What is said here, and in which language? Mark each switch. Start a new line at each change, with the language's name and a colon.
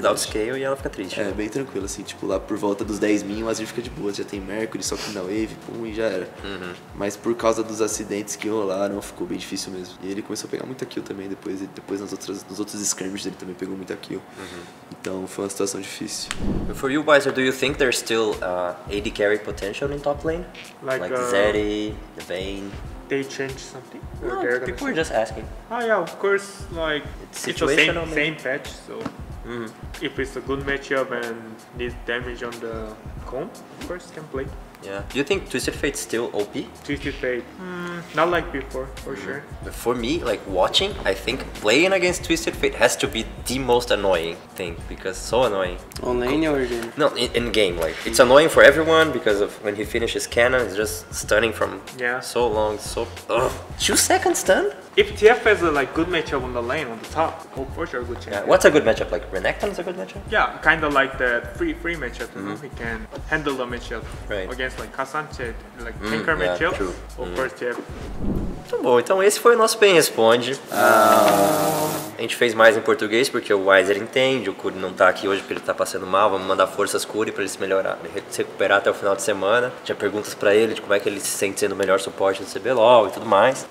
Portuguese: Dá o scale e ela fica triste. É, bem tranquilo, assim, tipo, lá por volta dos 10 mil, a Azir fica de boa, já tem Mercury, só que na Wave, pum, e já era. Uhum. Mas por causa dos acidentes que rolaram, ficou bem difícil mesmo. E ele começou a pegar muita kill também, depois nos outros skirmishes ele também pegou muita kill. Uhum. Então foi uma situação difícil.
English: For you, Bizer, do you think there's still AD carry potential in top lane? Like Zeri, the Vayne? They changed something? No, people were just asking. Ah, yeah, of course, like, it's the same patch, so... Mm-hmm. If it's a good matchup and need damage on the comp, of course, can play. Yeah. Do you think Twisted Fate's still OP? Twisted Fate? Not like before, for sure. But for me, like watching, I think playing against Twisted Fate has to be the most annoying thing, because so annoying. On lane or game? No, in game. Like, it's annoying for everyone because of when he finishes cannon, he's just stunning from so long, so... Ugh. 2 seconds stun? If TF has a like good matchup on the lane, on the top, go for sure, good champion. Yeah, what's a good matchup? Like, Renekton is a good matchup? Yeah, kind of like that free matchup, you know? He can handle the matchup. Right. Against like Kassanche, like tanker matchup. Ou first TF.
Portuguese: Muito bom, então esse foi o nosso Pen Responde. Ah. A gente fez mais em português porque o Wiser entende, o Kuri não tá aqui hoje porque ele tá passando mal, vamos mandar forças Kuri pra ele se melhorar, se recuperar até o final de semana. Tinha perguntas pra ele de como é que ele se sente sendo o melhor suporte do CBLOL e tudo mais.